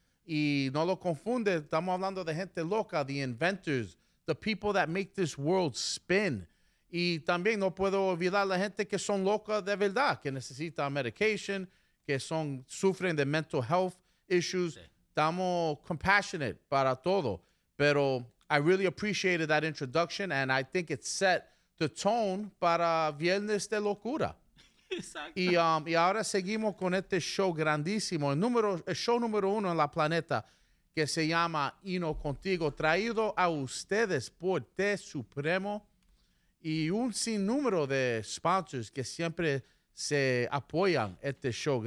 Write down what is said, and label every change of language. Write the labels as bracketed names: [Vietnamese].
[Spanish] Y no lo confunde, estamos hablando de gente loca, [English] the inventors, the people that make this world spin. [Spanish] Y también no puedo olvidar la gente que son locas de verdad, que necesitan medication, que son, sufren de [English] mental health issues. [Spanish] Estamos compassionate para todo. [English] Pero I really appreciated that introduction, and I think it set the tone para Viernes de Locura. [Spanish] Exacto. Y ahora seguimos con este show grandísimo, el show número uno en la planeta, que se llama Hino Contigo, traído a ustedes por Té Supremo y un sinnúmero de sponsors que siempre se apoyan este show.